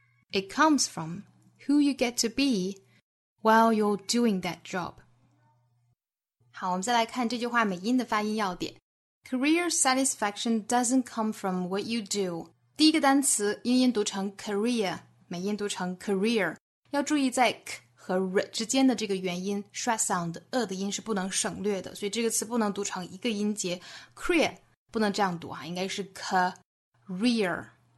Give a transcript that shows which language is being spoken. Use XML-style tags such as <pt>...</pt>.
<en>It comes from who you get to be while you're doing that job.</en> <zh>好，我们再来看这句话美音的发音要点。</zh> <en>Career satisfaction doesn't come from what you do.</en> <zh>第一个单词英音读成 career， 美音读成 career。要注意在 k 和 r 之间的这个元音 shua sound a 的音是不能省略的，所以这个词不能读成一个音节 career， 不能这样读啊，应该是 career。</zh>